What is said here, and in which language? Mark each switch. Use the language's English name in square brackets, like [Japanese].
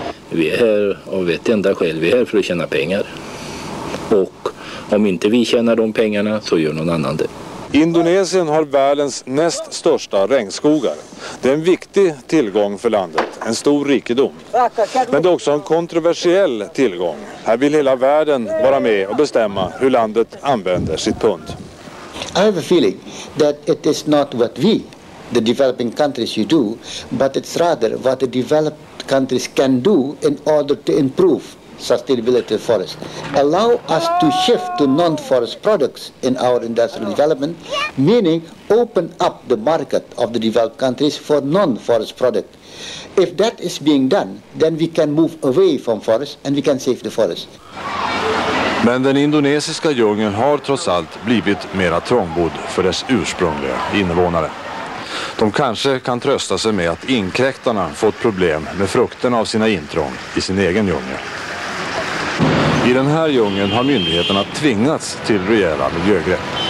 [Swedish] Vi är här av ett enda skäl, vi är här för att tjäna pengar. Och om inte vi tjänar de pengarna så gör någon annan det. Indonesien har världens näst största regnskogar. Det är en viktig tillgång för landet, en stor rikedom. Men det är också en kontroversiell tillgång. Här vill hela världen vara med och bestämma hur landet använder sitt pund. [English] I have a feeling that it is not what we, the developing countries, should do, but it's rather what the developed countries can do in order to improve sustainability of forests. Allow us to shift to non-forest products in our industrial development, meaning open up the market of the developed countries for non-forest product. If that is being done, then we can move away from forests and we can save the forest. [Swedish] Men den indonesiska djungeln har trots allt blivit mera trångbodd för dess ursprungliga invånare. De kanske kan trösta sig med att inkräktarna fått problem med frukten av sina intrång i sin egen djungel. I den här djungeln har myndigheterna tvingats till rejäla miljögrepp.